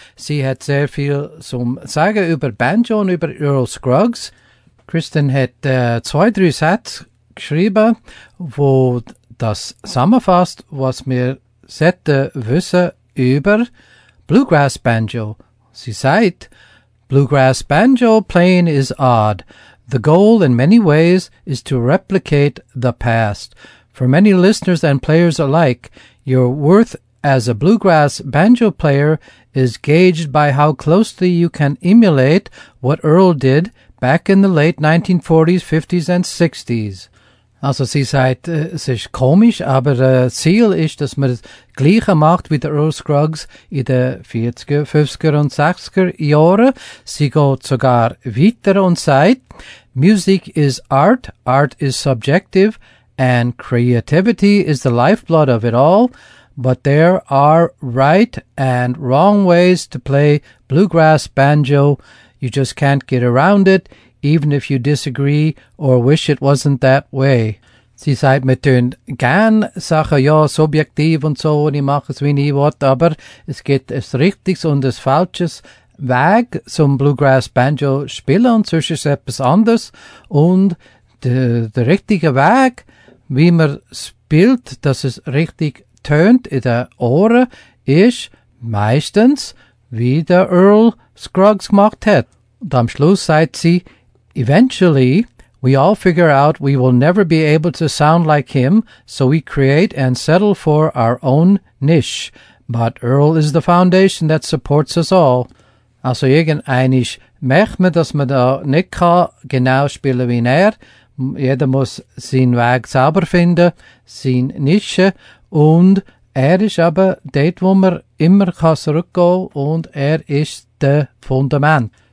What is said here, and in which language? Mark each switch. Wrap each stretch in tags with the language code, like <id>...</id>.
<de>Sie hat sehr viel zum Sagen über Banjo und über Earl Scruggs. Kristin hat 2-3 Sätze geschrieben, wo das zusammenfasst, was wir sollten wissen über Bluegrass Banjo. Sie sagt:</de> <en>"Bluegrass banjo playing is odd. The goal in many ways is to replicate the past. For many listeners and players alike, your worth as a bluegrass banjo player is gauged by how closely you can emulate what Earl did back in the late 1940s, 50s and 60s.</en> <de>Also sie sagt, es ist komisch, aber das Ziel ist, dass man das Gleiche macht wie der Earl Scruggs in den 40er, 50er und 60er Jahren. Sie geht sogar weiter und sagt:</de> <en>"Music is art, art is subjective, and creativity is the lifeblood of it all. But there are right and wrong ways to play bluegrass banjo. You just can't get around it, even if you disagree or wish it wasn't that way."</en> <de>Sie sagt, wir tun gern Sachen, ja, subjektiv und so, und ich mache es wie ich will, aber es gibt ein richtiges und ein falsches Weg zum Bluegrass Banjo spielen, und sonst ist es etwas anderes. Und der richtige Weg, wie man spielt, dass es richtig tönt in den Ohren, ist meistens, wie der Earl Scruggs gemacht hat. Und am Schluss sagt sie:</de> <en>"Eventually, we all figure out we will never be able to sound like him, so we create and settle for our own niche. But Earl is the foundation that supports us all."</en> <de>Also irgendeinisch merkt man, dass man da nicht kann genau spielen wie er. Jeder muss seinen Weg selber finden, sein Nische. Und er ist aber dort, wo man immer kann zurückgehen, und er ist der Fundament.</de>